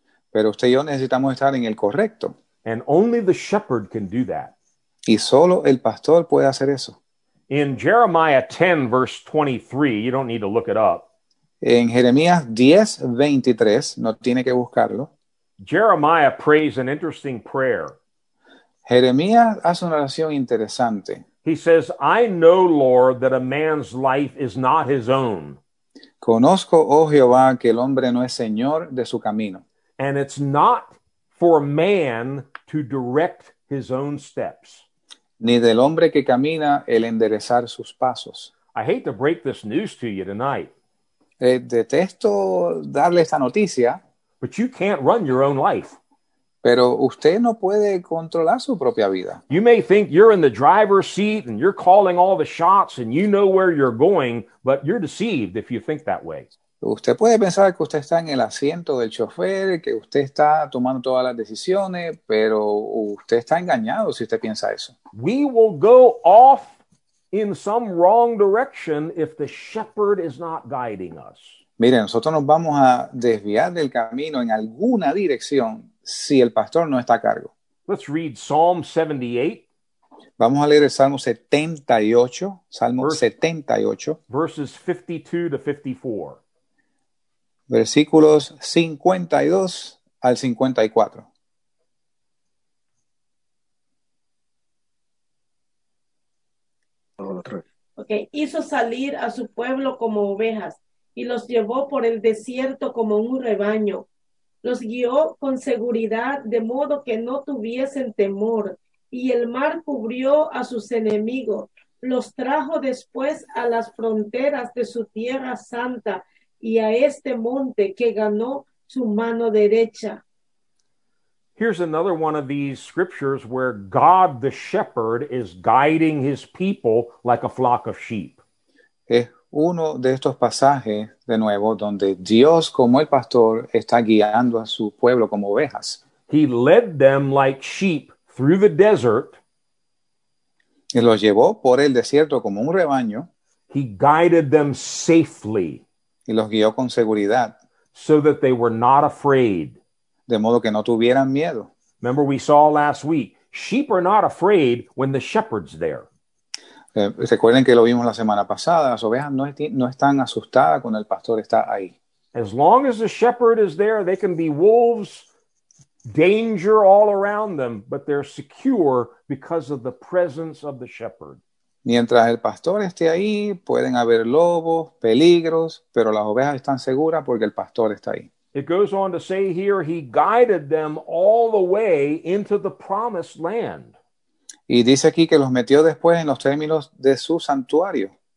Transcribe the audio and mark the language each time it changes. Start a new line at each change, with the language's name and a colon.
Spanish: Pero usted y yo necesitamos estar en el correcto.
English: And only the shepherd can do that.
Spanish: Y solo el pastor puede hacer eso.
English: In Jeremiah 10, verse 23, you don't need to look it up.
Spanish: En Jeremías 10, 23, no tiene que buscarlo.
English: Jeremiah prays an interesting prayer.
Spanish: Jeremías hace una oración interesante.
English: He says, I know, Lord, that a man's life is not his own.
Spanish: Conozco, oh Jehová, que el hombre no es señor de su camino.
English: And it's not for man to direct his own steps.
Spanish: Ni del hombre que camina el enderezar sus pasos.
English: I hate to break this news to you tonight.
Spanish: Detesto darle esta noticia.
English: But you can't run your own life.
Spanish: Pero usted no puede controlar su propia vida.
English: You may think you're in the driver's seat and you're calling all the shots and you know where you're going, but you're deceived if you think that way.
Spanish: Usted puede pensar que usted está en el asiento del chofer, que usted está tomando todas las decisiones, pero usted está engañado si usted piensa eso.
English: We will go off in some wrong direction if the shepherd is not guiding us.
Spanish: Mire, nosotros nos vamos a desviar del camino en alguna dirección si el pastor no está a cargo.
English: Let's read Psalm 78.
Spanish: Vamos a leer el Salmo 78, Salmo 78.
English: Verses 52 to 54.
Spanish: Versículos 52 al 54.
English: Okay.
Spanish: Hizo salir a su pueblo como ovejas y los llevó por el desierto como un rebaño. Los guió con seguridad de modo que no tuviesen temor y el mar cubrió a sus enemigos. Los trajo después a las fronteras de su tierra santa y a este monte que ganó su mano derecha.
English: Here's another one of these scriptures where God the shepherd is guiding his people like a flock of sheep.
Spanish: Es uno de estos pasajes, de nuevo, donde Dios como el pastor está guiando a su pueblo como ovejas.
English: He led them like sheep through the desert.
Spanish: Y los llevó por el desierto como un rebaño.
English: He guided them safely.
Spanish: Y los guió con seguridad.
English: So that they were not afraid.
Spanish: De modo que no tuvieran miedo.
English: Remember we saw last week, sheep are not afraid when the shepherd's there.
Spanish: Recuerden que lo vimos la semana pasada, las ovejas no están asustadas cuando el pastor está ahí.
English: As long as the shepherd is there, they can be wolves, danger all around them, but they're secure because of the presence of the shepherd.
Spanish: Mientras el pastor esté ahí, pueden haber lobos, peligros, pero las ovejas están seguras porque el pastor está ahí.
English: It goes on to say here, he guided them all the way into the promised land.
Spanish: Y dice aquí que los metió después en los términos de su santuario.